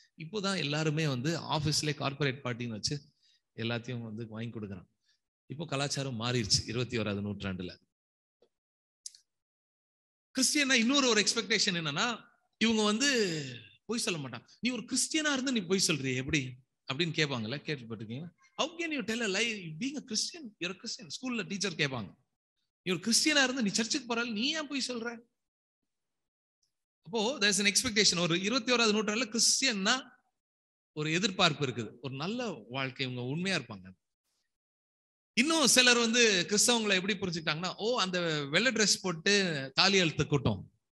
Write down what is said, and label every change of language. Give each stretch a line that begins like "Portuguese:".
Tamil: இப்போதான் எல்லாருமே வந்து ஆபீஸ்லயே கார்பரேட் பார்ட்டின்னு வச்சு எல்லாத்தையும் வந்து வாங்கி கொடுக்குறாங்க. இப்போ கலாச்சாரம் மாறிடுச்சு 21வது நூற்றாண்டுல. கிறிஸ்டியனா இன்னொரு ஒரு எக்ஸ்பெக்டேஷன் என்னன்னா, இவங்க வந்து பொய் சொல்ல மாட்டான், நீ ஒரு கிறிஸ்டியனா இருந்து நீ பொய் சொல்றிய எப்படி அப்படின்னு கேட்பாங்கல்ல, கேட்டுப்பட்டிருக்கீங்களா?
English: How can you tell a lie being a Christian? You're a Christian.
Tamil: ஸ்கூல்ல டீச்சர் கேட்பாங்க, இவர் கிறிஸ்டியனா இருந்து நீ சர்ச்சுக்கு போறாள், நீ ஏன் போய் சொல்ற? அப்போ
English: there's an expectation.
Tamil: ஒரு 21வது நூற்றாண்டுல கிறிஸ்டியன்னா ஒரு எதிர்பார்ப்பு இருக்குது, ஒரு நல்ல வாழ்க்கை, இவங்க உண்மையா இருப்பாங்க. இன்னும் சிலர் வந்து கிறிஸ்தவங்களை எப்படி புரிஞ்சுக்கிட்டாங்கன்னா, ஓ அந்த வெள்ளை ட்ரெஸ் போட்டு தாலி அழுத்த கூட்டம்,